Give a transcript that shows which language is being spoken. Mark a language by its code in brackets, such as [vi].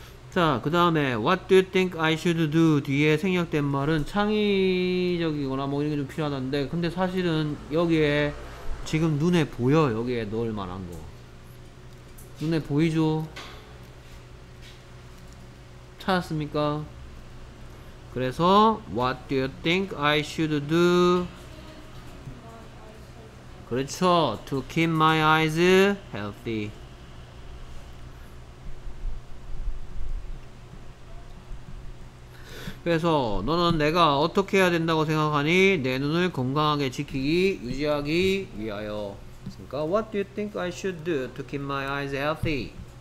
[ko] 자, 그 다음에 [en] what do you think I should do [ko] 뒤에 생략된 말은 창의적이거나 뭐 이런 게 좀 필요하다는데, 근데 사실은 여기에 지금 눈에 보여. 여기에 넣을 만한 거 눈에 보이죠? 찾았습니까? 그래서 [en] what do you think I should do? [ko] 그렇죠. [en] to keep my eyes healthy. [ko] 그래서 너는 내가 어떻게 해야 된다고 생각하니? 내 눈을 건강하게 지키기, 유지하기 위하여. 그러니까 [en] What do you think I should do to keep my eyes healthy?